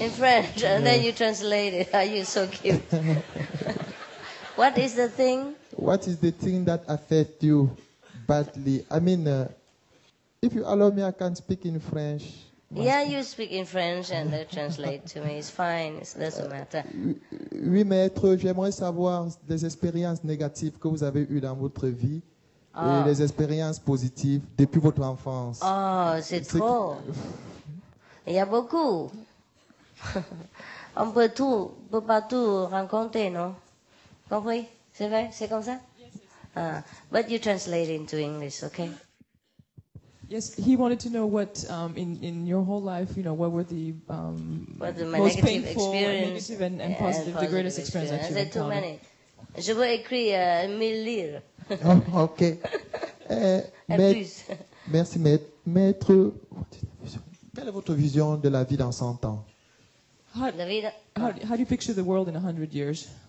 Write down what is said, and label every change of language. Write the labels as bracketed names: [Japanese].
[English] In French, and then you translate it. Are you so cute? What is the thing? What is the thing that affects you badly? I mean, if you allow me, I can speak in French. Master. Yeah, you speak in French and they translate to me. It's fine. It doesn't matter. [French] Oui, maître, j'aimerais savoir les expériences négatives que vous avez eues dans votre vie et les expériences positives depuis votre enfance. Oh, c'est trop. Il y a beaucoup. On peut tout, on peut pas tout raconter, non? Compris? C'est vrai? C'est comme ça? [English] But you translate into English, okay? Yes, he wanted to know what, in your whole life, you know, what were the most painful and negative and positive, the greatest experience that you encountered? Too many. [French] Je veux écrire 1000 livres. [English] Oh, okay. [French] Merci, maître. Quelle est votre vision de la vie dans 100 ans? [English] How do you picture the world in 100 years?